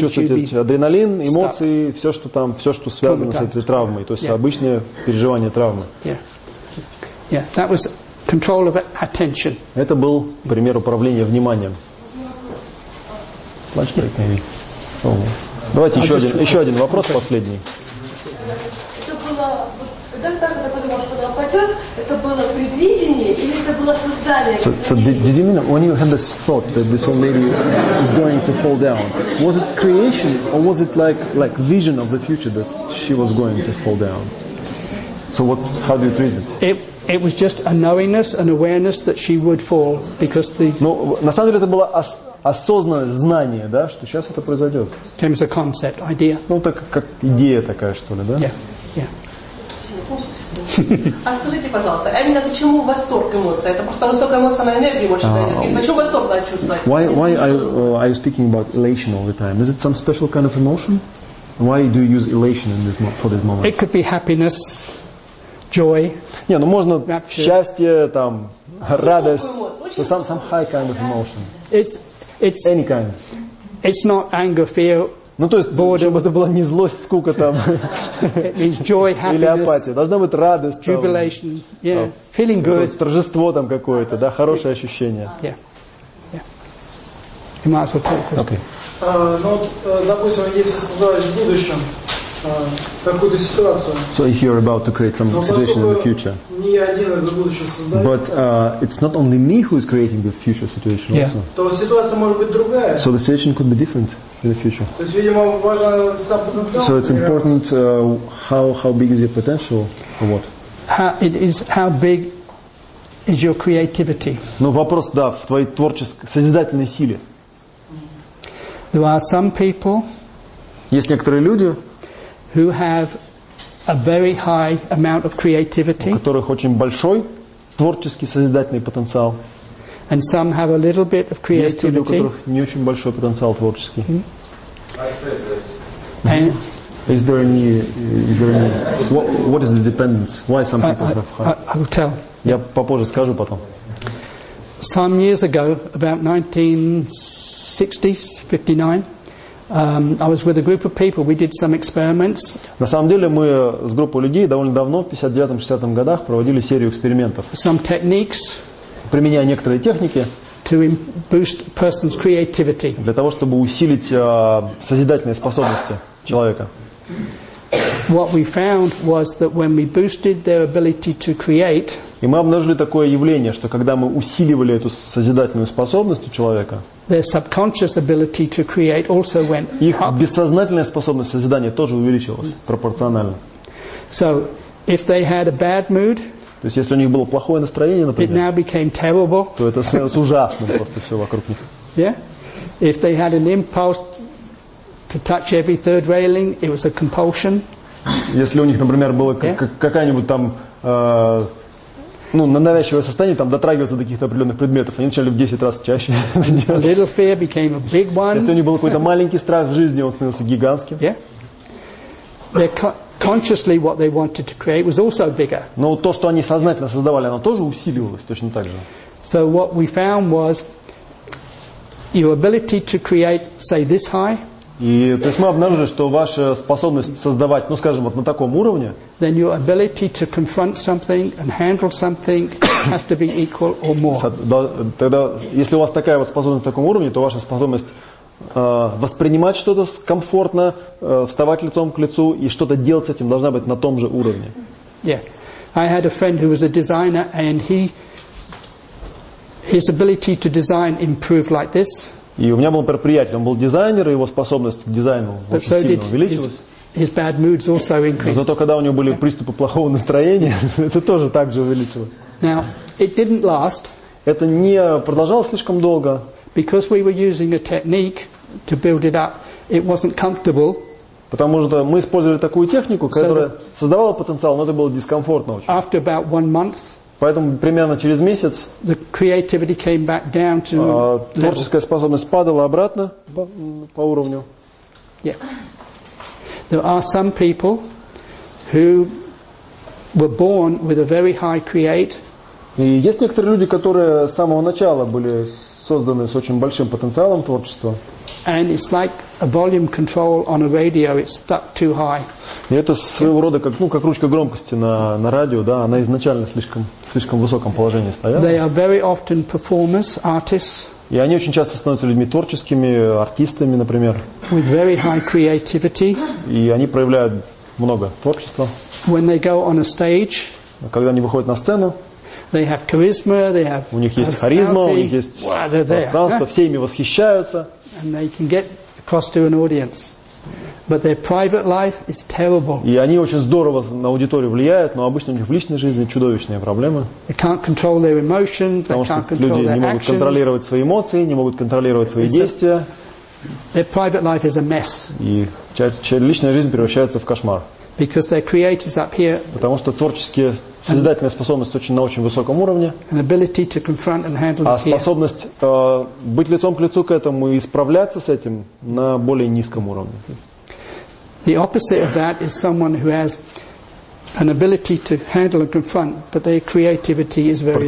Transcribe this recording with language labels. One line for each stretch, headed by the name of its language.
Russian: чувствовать адреналин, эмоции, все что связано с этой травмой, то есть обычное переживание травмы.
English: Yeah, that was control of attention.
Russian: Это был пример управления вниманием.
English: Lunch break, maybe. Oh.
Russian: Давайте еще один вопрос, последний. Это было, когда так, когда подумал, что она пойдет, это было. было предвидение или это было создание?
English: So did you mean when you had this thought that this old lady is going to fall down? Was it creation or was it like vision of the future that she was going to fall down? So what? How do you treat it? It was just a knowingness, an awareness that she would fall because the. No,
Russian: на самом деле это было осознанное знание, да, что сейчас это произойдет.
English: Came as a concept, idea.
Russian: Ну так как идея такая что ли, да?
English: Yeah.
Russian: А скажите, пожалуйста, именно почему восторг эмоций? Это просто высокая эмоциональная энергия больше дает. И почему восторг надо чувствовать?
English: Why are you speaking about elation all the time? Is it some special kind of emotion? Why do you use elation in this for this moment? It could be happiness, joy.
Russian: Не, ну можно счастье, там, радость.
English: So some high kind of emotion. It's any kind. It's not anger, fear.
Russian: Ну то есть,
English: boredom.
Russian: Чтобы это была не злость, скука там,
English: joy,
Russian: или апатия. Должна быть радость,
English: jubilation,
Russian: там,
English: yeah. Feeling good.
Russian: Торжество там какое-то, да, хорошее ощущение.
English: Yeah. Yeah. Okay.
Russian: Ну, вот, допустим, если создавать в будущем какую-то ситуацию.
English: So if you're about to create some situation in the future.
Russian: Не я один это будущее создаю.
English: But it's not only me who is creating this future situation yeah. also.
Russian: То ситуация может быть другая.
English: So the situation could be different. In the future. So it's important how big is your potential or what? How big is your creativity?
Russian: Ну вопрос да в твоей творческой созидательной силе.
English: There are some people.
Russian: Есть некоторые люди.
English: Who have a very high amount of creativity.
Russian: У которых очень большой творческий созидательный потенциал.
English: And some have a little bit of creativity.
Russian: Есть люди, у которых не очень большой потенциал творческий.
English: Mm-hmm. Is there any what is the dependence? Why some people have? I will tell.
Russian: Я попозже скажу потом.
English: Some years ago, about 1960s, 59, I was with a group of people. We did some experiments.
Russian: На самом деле мы с группой людей довольно давно в 59-60 годах проводили серию экспериментов.
English: Some techniques.
Russian: Применяя некоторые техники.
English: To boost a person's creativity.
Russian: Для того, чтобы усилить созидательные способности человека.
English: What we found was that when we boosted their ability to create.
Russian: И мы обнаружили такое явление, что когда мы усиливали эту созидательную способность у человека.
English: Their subconscious ability to create also went up.
Russian: Их бессознательная способность созидания тоже увеличилась пропорционально.
English: So, if they had a bad mood.
Russian: То есть, если у них было плохое настроение, например,
English: it now became terrible.
Russian: То это становилось ужасным просто все вокруг них.
English: Yeah? If they had an impulse to touch every third railing, it was a compulsion.
Russian: Если у них, например, было какая-нибудь там, навязчивое состояние, там, дотрагиваться до каких-то определенных предметов, они начали в 10 раз чаще делать.
English: A little fear became a big one.
Russian: Если у них был какой-то маленький страх в жизни, он становился гигантским.
English: Yeah? Consciously, what they wanted to create was also bigger.
Russian: Но то, что они сознательно создавали, оно тоже усиливалось точно так же.
English: So what we found was your ability to create, say, this high.
Russian: И то есть мы обнаружили, что ваша способность создавать, ну скажем, вот на таком уровне.
English: Then your ability to confront something and handle something has to be equal or more.
Russian: Тогда, если у вас такая вот способность на таком уровне, то ваша способность воспринимать что-то комфортно, вставать лицом к лицу и что-то делать с этим должна быть на том же уровне.
English: Yeah. I had a friend who was a designer and his ability to design improved like this.
Russian: И у меня был приятель, он был дизайнер, и его способность к дизайну очень
English: so
Russian: сильно увеличилась.
English: His bad moods also increased.
Russian: Но зато когда у него были приступы плохого настроения, это тоже так же увеличилось.
English: Now, it didn't last.
Russian: Это не продолжалось слишком долго.
English: Because we were using a technique to build it up, it wasn't comfortable.
Russian: Потому что мы использовали такую технику, которая создавала потенциал, но это было дискомфортно очень.
English: After about 1 month.
Russian: Поэтому примерно через месяц.
English: The creativity came back down to.
Russian: Творческая способность падала обратно по уровню.
English: Yeah. There are some people who were born with a very high create.
Russian: И есть некоторые люди, которые с самого начала были. Созданы с очень большим потенциалом творчества.
English: And it's like a volume control on a radio, it's stuck too high.
Russian: И это своего рода как ручка громкости на радио, да, она изначально слишком высоком положении стояла.
English: They are very often performers, artists.
Russian: И они очень часто становятся людьми творческими, артистами, например.
English: With very high creativity.
Russian: И они проявляют много творчества.
English: When they go on a stage.
Russian: Когда они выходят на сцену.
English: They have charisma, they have
Russian: у них есть харизма, у них есть пространство, все ими восхищаются.
English: And they can get across to an audience. But their private life is terrible.
Russian: И они очень здорово на аудиторию влияют, но обычно у них в личной жизни чудовищные проблемы.
English: They can't control their emotions, they can't control their actions.
Russian: Потому что люди не могут контролировать свои эмоции, не могут контролировать свои действия.
English: Their private life is a mess.
Russian: И личная жизнь превращается в кошмар.
English: Because their creators up here.
Russian: Потому что творческие созидательная способность очень на очень высоком уровне.
English: An ability to confront and handle this.
Russian: А способность быть лицом к лицу к этому и справляться с этим на более низком уровне.
English: The opposite of that is someone who has an ability to handle and confront, but their creativity is very low.